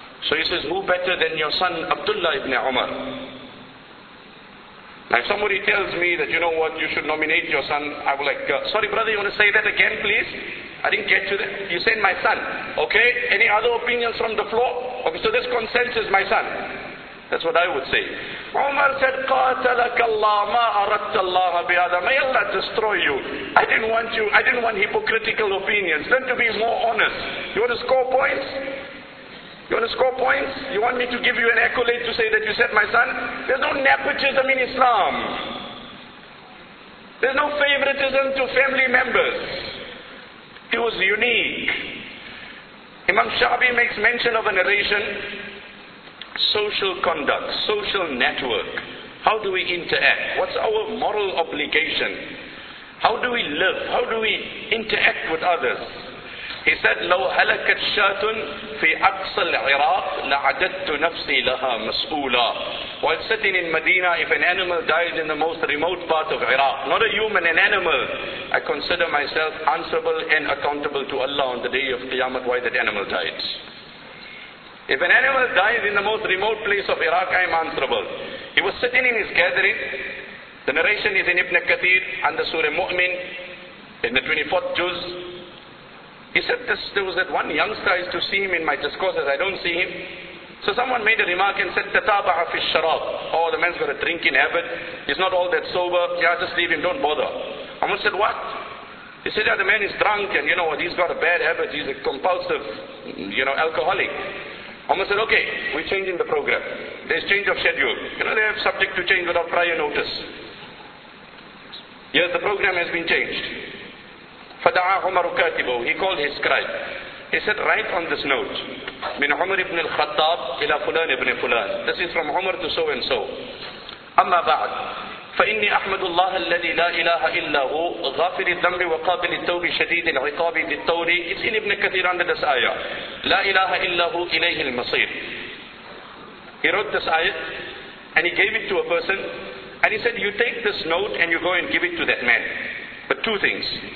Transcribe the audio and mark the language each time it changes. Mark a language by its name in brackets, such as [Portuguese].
[English] So he says, who better than your son Abdullah ibn Umar? Now if somebody tells me that, you know what, you should nominate your son, I will like, sorry brother, you want to say that again please? I didn't get you there. You said my son. Okay, any other opinions from the floor? Okay, so this consensus, my son. That's what I would say. Umar said, [Arabic] قَاتَلَكَ اللَّهَ مَا أَرَدْتَ اللَّهَ بِهَذَا. [English] May Allah destroy you. I didn't want you, I didn't want hypocritical opinions. Learn to be more honest. You want to score points? You want to score points? You want me to give you an accolade to say that you said my son? There's no nepotism in Islam. There's no favoritism to family members. He was unique. Imam Shabi makes mention of a narration. Social conduct, social network. How do we interact? What's our moral obligation? How do we live? How do we interact with others? He said, [Arabic] لو هلكت شاة في أقصى العراق لعددت نفسي لها مسؤولا. [English] While sitting in Medina, if an animal dies in the most remote part of Iraq, not a human, an animal, I consider myself answerable and accountable to Allah on the day of Qiyamah why that animal died. If an animal dies in the most remote place of Iraq, I am answerable. He was sitting in his gathering. The narration is in Ibn Kathir and the Surah Mu'min in the 24th Juz. He said this, there was that one youngster, I used to see him in my discourses, I don't see him. So someone made a remark and said, [Arabic] تَتَابَعَ فِي الشَّرَابِ. [English] Oh, the man's got a drinking habit, he's not all that sober, yeah, just leave him, don't bother. Someone said, what? He said, yeah, the man is drunk and you know what, he's got a bad habit, he's a compulsive, you know, alcoholic. Someone said, okay, we're changing the program. There's change of schedule. You know, they have subject to change without prior notice. Yes, the program has been changed. [Arabic] فَدَعَى عُمَرُ كَاتِبُهُ. [English] He called his scribe. He said, write on this note, [Arabic] مِنْ عُمَرِ بْنِ الْخَطَّابِ إِلَى فُلَانِ بْنِ فُلَانِ. [English] This is from عُمَر to so-and-so. [Arabic] أَمَّا بَعْدُ فَإِنِّي أَحْمَدُ اللَّهَ الَّذِي لَا إِلَهَ إِلَّا هُوْ غَافِرِ الذَّنْبِ وَقَابِلِ التَّوْبِ شَدِيدِ الْعِقَابِ بِالتَّوْرِ. [English] It's in Ibn Kathir under this ayah. [Arabic] لَا إِلَهَ إِلَّا هُوْ إِلَيْهِ الْمَصِيرِ. [English] He wrote this ayah and he gave it to a person and he said, you take this note and you go and give it to that man. But two things.